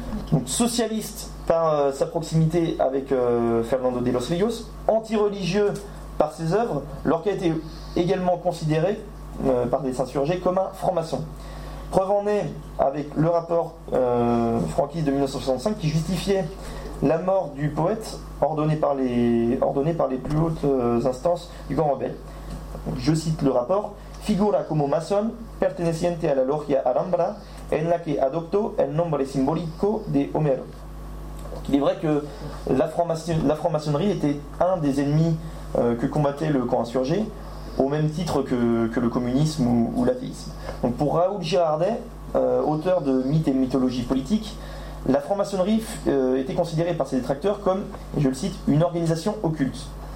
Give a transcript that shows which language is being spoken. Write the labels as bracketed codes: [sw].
[fr] Donc socialiste par sa proximité avec Fernando de los Ríos, antireligieux par ses œuvres, Lorca a été également considéré par des insurgés comme un franc-maçon. Preuve en est avec le rapport franquiste de 1965 qui justifiait la mort du poète ordonnée par les plus hautes instances du camp rebelle. Je cite le rapport. [es] Figura como masón perteneciente a la logia Alhambra, en la que adoptó el nombre simbólico de Homero. [fr] Il est vrai que la franc-maçonnerie était un des ennemis que combattait le camp insurgé. au même titre que le communisme ou l'athéisme. Donc pour Raoul Girardet, auteur de Mythes et mythologies politiques, la franc-maçonnerie était considérée par ses détracteurs comme, je le cite, une organisation occulte.